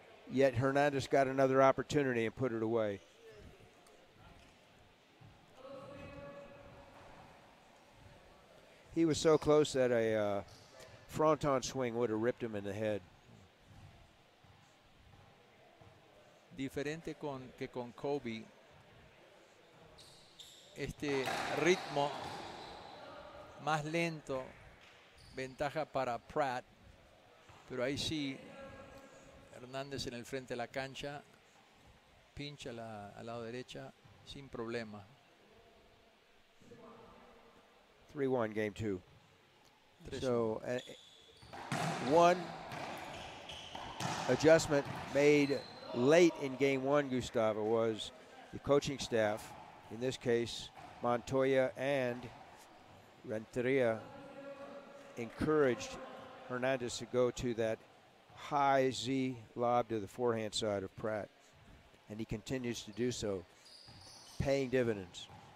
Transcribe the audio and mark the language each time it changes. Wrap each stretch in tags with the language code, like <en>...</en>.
<en>Yet Hernandez got another opportunity and put it away. He was so close that a fronton swing would have ripped him in the head.</en> <es>Diferente con que con Kobe, este ritmo más lento, ventaja para Pratt, pero ahí sí, Hernandez en el frente de la cancha, pincha al lado derecha sin problema.</es> <en>3-1, game two. So, one adjustment made late in game one, Gustavo, was the coaching staff, in this case, Montoya and Renteria, encouraged Hernandez to go to that high Z lob to the forehand side of Pratt, and he continues to do so, paying dividends.</en>